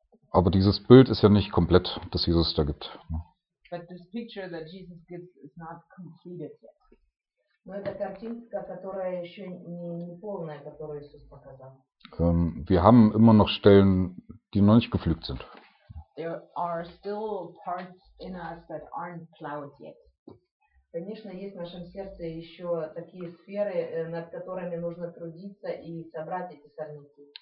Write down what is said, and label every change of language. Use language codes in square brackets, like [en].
[de] Aber dieses Bild ist ja nicht komplett, das Jesus da gibt. [en] But this picture that Jesus gives is not completed yet. [ru] Но эта картинка, которая еще не полная, которую Иисус показал. [de] Wir haben immer noch Stellen, die noch nicht gepflügt sind. [en] There are still parts in us that aren't plowed yet. [ru] Конечно, есть в нашем сердце еще такие сферы, над которыми нужно трудиться и собрать эти сорняки.